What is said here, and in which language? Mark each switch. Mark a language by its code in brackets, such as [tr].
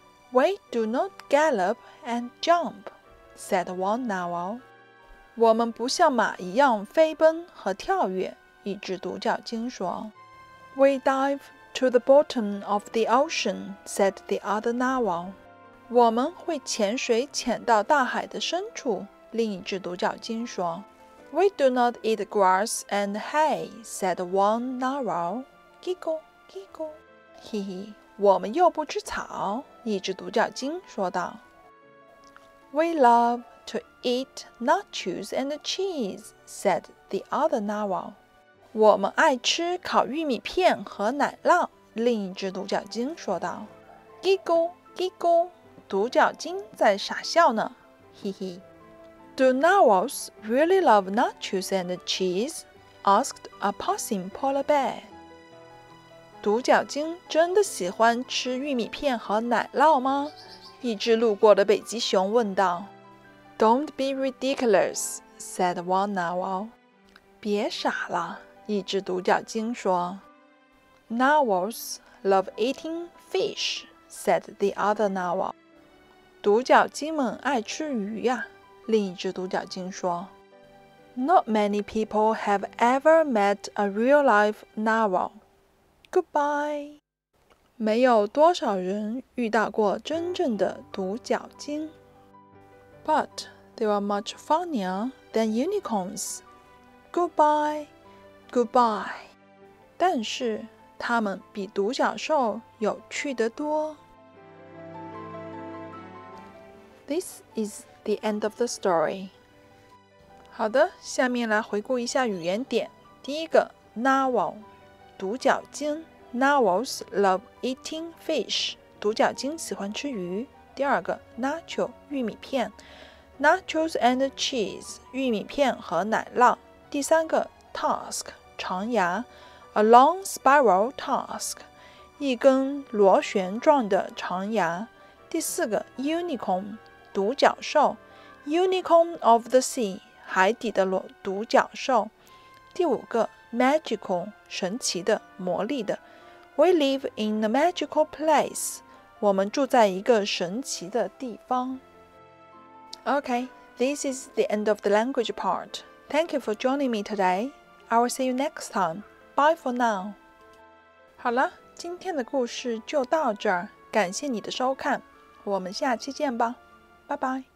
[en] We do not gallop and jump, said one narwhal. [zh] 我们不像马一样飞奔和跳跃，一只独角鲸说。 [en] We dive to the bottom of the ocean, said the other narwhal. [zh] 我们会潜水潜到大海的深处，另一只独角鲸说。 [en] We do not eat grass and hay, said one narwhal. Giggle, giggle. [zh] 嘿嘿，我们又不吃草，一只独角鲸说道。 [en] We love to eat nachos and cheese, said the other narwhal. [zh] 我们爱吃烤玉米片和奶酪，另一只独角鲸说道。 [en] Giggle, giggle. [zh] 独角鲸在傻笑呢。嘿嘿。 [en] Do narwhals really love nachos and cheese? Asked a passing polar bear. [zh] 独角鲸真的喜欢吃玉米片和奶酪吗？一只路过的北极熊问道。 [en] Don't be ridiculous, said one narwhal. [zh] 别傻了，一只独角鲸说。 [en] Narwhals love eating fish, said the other narwhal. [zh] 独角鲸们爱吃鱼呀。另一只独角鲸说 [en] Not many people have ever met a real-life narwhal. Goodbye. [zh] 没有多少人遇到过真正的独角鲸。 [en] But they are much funnier than unicorns. Goodbye. Goodbye. [zh] 但是他们比独角兽有趣得多。 [en] This is the end of the story. [zh] 好的，下面来回顾一下语言点。第一个 narwhal, 独角鲸 [en] narwhals love eating fish, [zh] 独角鲸喜欢吃鱼。第二个 nacho, 玉米片 [en] Nachos and cheese, [zh] 玉米片和奶酪。第三个 ,tusk, 长牙。 [en] A long spiral tusk, [zh] 一根螺旋状的长牙。第四个 ,unicorn, 独角兽。 [en] Unicorn of the sea, [zh] 海底的独角兽。第五个 ,magical, 神奇的魔力的。 [en] We live in a magical place, [zh] 我们住在一个神奇的地方。 [en] Okay, this is the end of the language part. Thank you for joining me today. I will see you next time. Bye for now. [zh] 好了，今天的故事就到这儿。感谢你的收看，我们下期见吧。 [en] Bye bye.